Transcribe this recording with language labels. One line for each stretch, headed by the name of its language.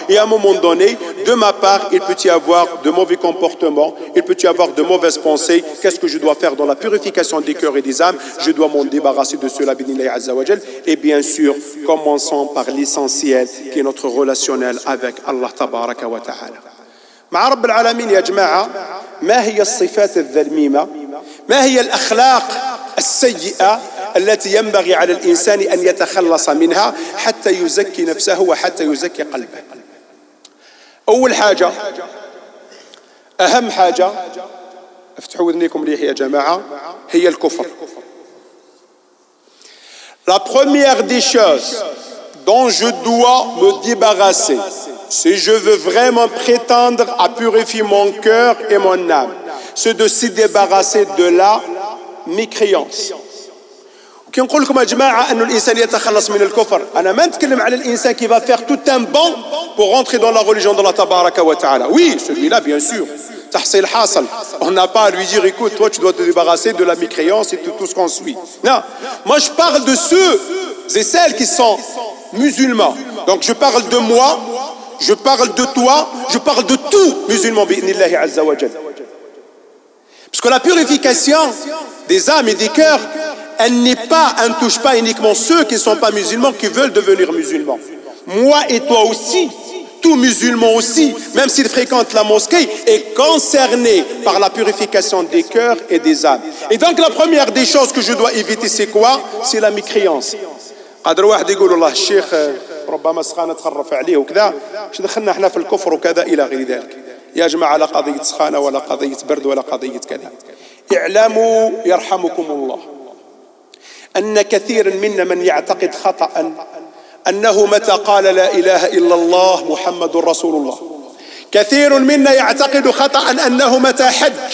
French: Et à un moment donné, de ma part, il peut y avoir de mauvais comportements, il peut y avoir de mauvaises pensées. Qu'est-ce que je dois faire dans la purification des cœurs et des âmes? Je dois m'en débarrasser de cela,
Arabic: bismillah azza wa jal.
French: Et bien sûr, commençons par l'essentiel, qui est notre relationnel avec Allah Ta'ala.
Arabic: بارك وتعالى مع رب العالمين يا جماعة ما هي الصفات الذميمة ما هي الأخلاق السيئة التي ينبغي على الإنسان أن يتخلص منها حتى يزكي نفسه وحتى يزكي قلبه أول حاجة أهم حاجة افتحوا أذنيكم ليه يا جماعة هي الكفر
French: La première des choses dont je dois me débarrasser Si je veux vraiment prétendre à purifier mon cœur et mon âme, c'est de se débarrasser de la mécréance. Qui en croit comme un jama'a que l'insan est débarrassé de la kufr. Je ne parle pas de l'insan qui va faire tout un bond pour rentrer dans la religion de la tabaraka wa ta'ala. Oui, celui-là, bien sûr.
Arabic: Tahsil hasal.
French: On n'a pas à lui dire, écoute, toi, tu dois te débarrasser de la mécréance et de tout ce qu'on suit. Non. Moi, je parle de ceux et celles qui sont musulmans. Donc, je parle de moi. Je parle de toi, je parle de tout musulman,
Arabic: bi'inillahi azza wa jal.
French: Parce que la purification des âmes et des cœurs, elle ne touche pas uniquement ceux qui ne sont pas musulmans, qui veulent devenir musulmans. Moi et toi aussi, tout musulman aussi, même s'il fréquente la mosquée, est concerné par la purification des cœurs et des âmes. Et donc la première des choses que je dois éviter, c'est quoi? C'est la mécréance.
Arabic: قادر واحد يقول الله الشيخ ربما سخانة تخرف عليه وكذا مش دخلنا احنا في الكفر وكذا إلى غير ذلك يا جماعة لا قضية سخانة ولا قضية برد ولا قضية كذا اعلموا يرحمكم الله أن كثير منا من يعتقد خطأ أنه متى قال لا إله إلا الله محمد رسول الله كثير منا يعتقد خطأ أنه متى حج